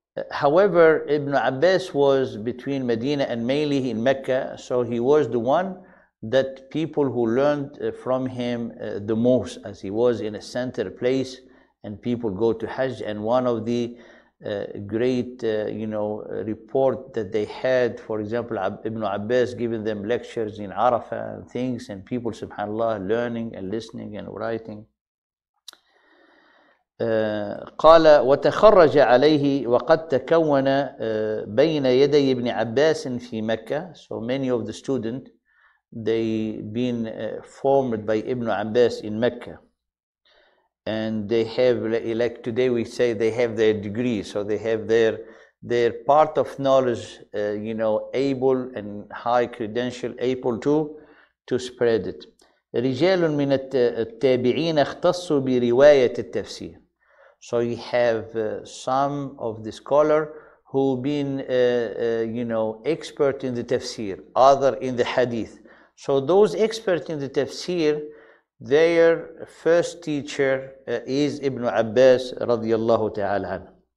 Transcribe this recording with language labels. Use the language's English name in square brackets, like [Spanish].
[English] However, Ibn Abbas was between Medina and mainly in Mecca, so he was the one that people who learned from him the most, as he was in a center place and people go to Hajj. And one of the great report that they had, for example, Ibn Abbas giving them lectures in Arafah and things, and people, subhanAllah, learning and listening and writing. [Arabic] قال وتخرج عليه وقد تكون بين يدي ابن عباس في مكة. [English] So many of the students, they been formed by Ibn Abbas in Mecca, and they have, like today we say, they have their degree, so they have their part of knowledge, able and high credential, able to spread it. [Arabic] رجال من التابعين اختصوا برواية التفسير. [English] So you have some of the scholar who been expert in the tafsir, other in the hadith. So those experts in the tafsir, their first teacher is Ibn Abbas radiyallahu ta'ala.